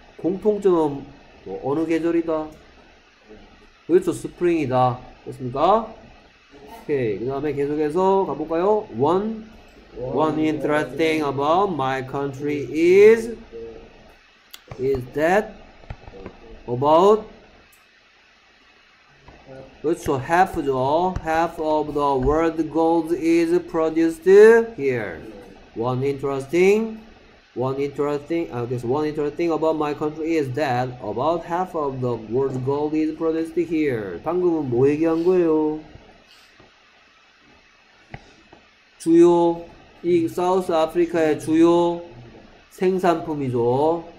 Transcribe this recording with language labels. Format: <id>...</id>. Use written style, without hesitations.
<ko>공통점은 뭐 어느 계절이다? 그렇죠. 스프링이다. 그렇습니까? 오케이. 그 다음에 계속해서 가볼까요?</ko> <en>One interesting about my country is that about</en> <ko>그렇죠.</ko> <en>Half죠. Half of the world gold is produced here. One interesting about my country is that about half of the world's gold is produced here.</en> <ko>방금은 뭐 얘기한 거예요? 주요 이 사우스 아프리카의 주요 생산품이죠.</ko>